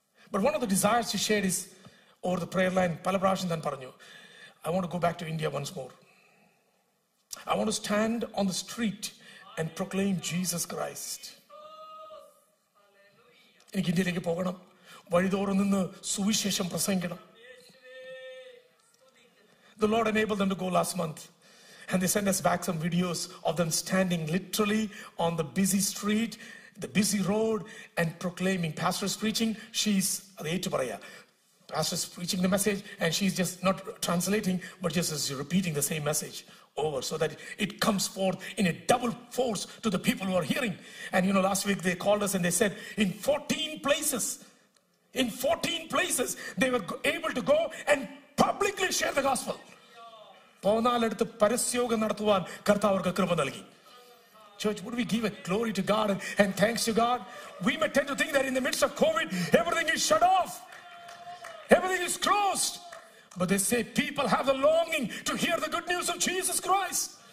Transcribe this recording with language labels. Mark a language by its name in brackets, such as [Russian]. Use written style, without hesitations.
[English] But one of the desires she shared is over the prayer line, Palabrashan Than Paranyu, I want to go back to India once more. I want to stand on the street and proclaim Jesus Christ. [Malayalam] എനിക്ക് ഇന്ത്യയിലേക്ക് പോകണം, വഴിതോറും നിന്ന് സുവിശേഷം പ്രസംഗിക്കണം. [English] The Lord enabled them to go last month and they sent us back some videos of them standing literally on the busy street, the busy road and proclaiming. Pastor's preaching, she's [Malayalam] ഏറ്റു പറയാ. [English] Pastor's preaching the message and she's just not translating but just is repeating the same message over so that it comes forth in a double force to the people who are hearing. And you know, last week they called us and they said in 14 places they were able to go and publicly share the gospel. [Malayalam] പോനാലെടുത്ത് പരസ്യോഗം നടത്തുവാൻ കർത്താവ് അവർക്ക് കൃപ നൽകി. [English] Church, would we give a glory to God and thanks to God? We may tend to think that in the midst of COVID everything is shut off, everything is closed. But they say people have the longing to hear the good news of Jesus Christ.